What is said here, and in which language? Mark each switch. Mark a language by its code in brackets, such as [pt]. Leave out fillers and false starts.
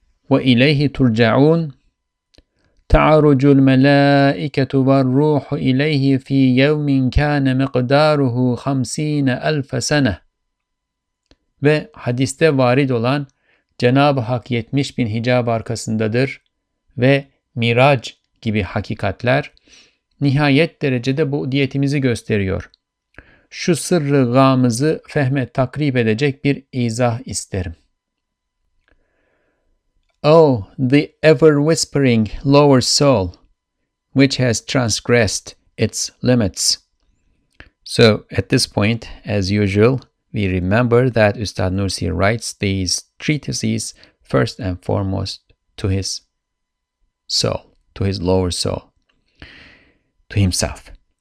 [tr] ve ileyh turcaun [ar] تعرج الملائكة والروح إليه في يوم كان مقداره 50,000 سنة [tr] Ve hadiste varid olan Cenab-ı Hak 70,000 hicab arkasındadır ve miraç gibi hakikatler nihayet derecede bu diyetimizi gösteriyor. Şu sırrı gamızı fehme takrib edecek bir izah isterim. [en] Oh, the ever-whispering lower soul, which has transgressed its limits. So, at this point, as usual, we remember that Ustad Nursi writes these treatises first and foremost to his soul, to his lower soul, to himself.